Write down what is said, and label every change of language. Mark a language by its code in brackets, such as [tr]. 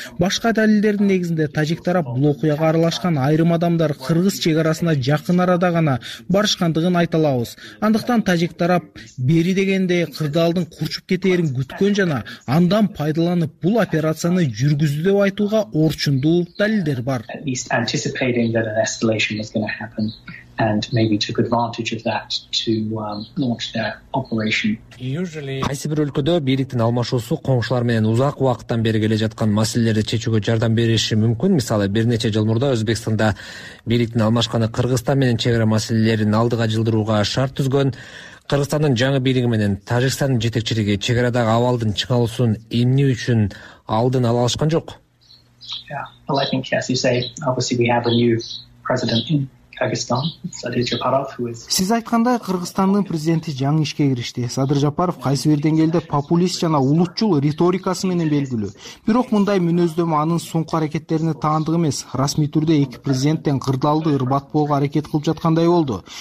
[ky] Башка далилдердин негизинде тажик тарап бул окуяга аралашкан айрым адамдар кыргыз чек арасына жакын арада гана барышкандыгын айта алабыз. Андыктан тажик тарап бери дегенде кырдаалдын курчуп кетэрин күткөн жана андан пайдаланып бул операцияны жүргүздү деп айтууга орчундуу далилдер бар. [en] And maybe took advantage of that to launch their operation. [ky] Usually, кайсы бир өлкөдө бийликтин алмашуусу коңшулар менен узак убакыттан бери келе жаткан маселелерди чечүүгө жардам бериши мүмкүн. Мисалы, бир нече жыл мурда Өзбекстанда бийликтин алмашканы Кыргызстан менен чек ара маселелерин алдыга жылдырууга шарт түзгөн. Кыргызстандын жаңы бийлиги менен Тажикстандын жетекчилиги чек арадагы абалдын чыңалуусун эмне үчүн алдын ала алышкан жок? [en] Yeah, well, I think, as you say, obviously we have a new president in [ky] Сиз айткандай, Кыргызстандын президенти жаңы ишке киришти. Садыр Жапаров кайсы бир деңгээлде популист жана улутчул риторикасы менен белгилүү. Бирок мындай мүнөздөмө анын соңку аракеттерине таандык эмес. Расмий түрдө эки президент тең кырдаалды ырбатпоого аракет кылып жаткандай болду.